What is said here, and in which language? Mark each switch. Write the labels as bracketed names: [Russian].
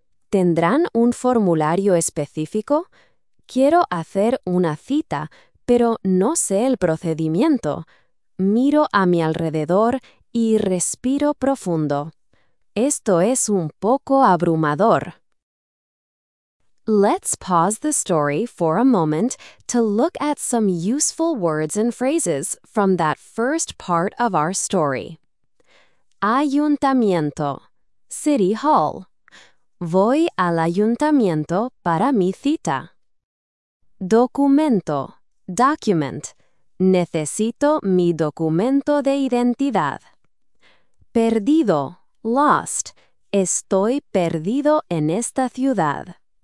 [Spanish] ¿Tendrán un formulario específico? Quiero hacer una cita, pero no sé el procedimiento. Miro a mi alrededor y respiro profundo. Esto es un poco abrumador. [English] Let's pause the story for a moment to look at some useful words and phrases from that first part of our story. [Spanish] Ayuntamiento, [English] City Hall. [Spanish] Voy al ayuntamiento para mi cita. Documento, Document. Necesito mi documento de identidad. Perdido, Lost. Estoy perdido en esta ciudad.